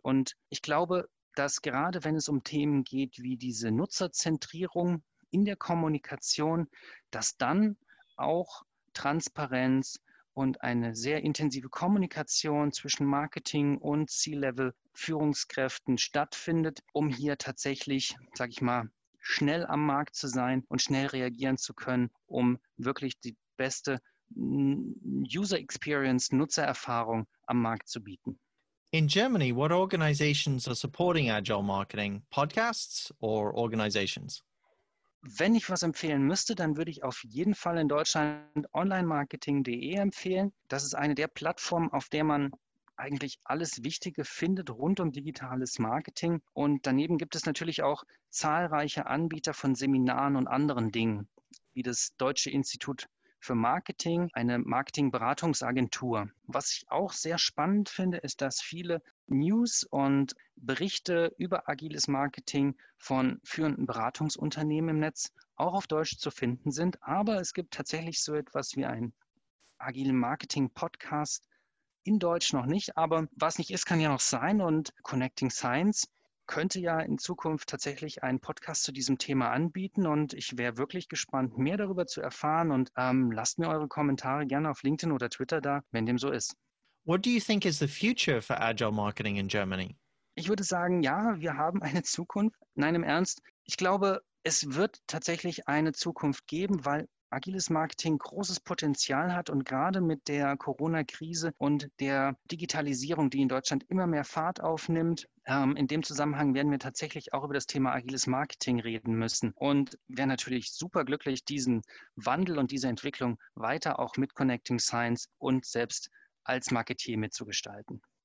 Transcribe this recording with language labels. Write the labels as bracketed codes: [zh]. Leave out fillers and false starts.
[de] Und ich glaube, dass gerade wenn es um Themen geht wie diese Nutzerzentrierung in der Kommunikation, dass dann auch Transparenz und eine sehr intensive Kommunikation zwischen Marketing und C-Level-Führungskräften stattfindet, um hier tatsächlich, sage ich mal, schnell am Markt zu sein und schnell reagieren zu können, um wirklich die beste User-Experience, Nutzererfahrung am Markt zu bieten. [en] In Germany, what organizations are supporting agile marketing? Podcasts or organizations? [de] Wenn ich was empfehlen müsste, dann würde ich auf jeden Fall in Deutschland onlinemarketing.de empfehlen. Das ist eine der Plattformen, auf der man eigentlich alles Wichtige findet rund um digitales Marketing. Und daneben gibt es natürlich auch zahlreiche Anbieter von Seminaren und anderen Dingen, wie das Deutsche Institut für Marketing, eine Marketingberatungsagentur. Was ich auch sehr spannend finde, ist, dass viele News und Berichte über agiles Marketing von führenden Beratungsunternehmen im Netz auch auf Deutsch zu finden sind. Aber es gibt tatsächlich so etwas wie einen agilen Marketing-Podcast in Deutsch noch nicht. Aber was nicht ist, kann ja noch sein. Und Connecting Science könnte ja in Zukunft tatsächlich einen Podcast zu diesem Thema anbieten und ich wäre wirklich gespannt, mehr darüber zu erfahren und lasst mir eure Kommentare gerne auf LinkedIn oder Twitter da, wenn dem so ist. [en] What do you think is the future for agile marketing in Germany? [de] Ich würde sagen, ja, wir haben eine Zukunft. Nein, im Ernst, ich glaube, es wird tatsächlich eine Zukunft geben, weil agiles Marketing großes Potenzial hat und gerade mit der Corona-Krise und der Digitalisierung, die in Deutschland immer mehr Fahrt aufnimmt, in dem Zusammenhang werden wir tatsächlich auch über das Thema agiles Marketing reden müssen und wäre natürlich super glücklich, diesen Wandel und diese Entwicklung weiter auch mit Connecting Science und selbst als Marketier mitzugestalten.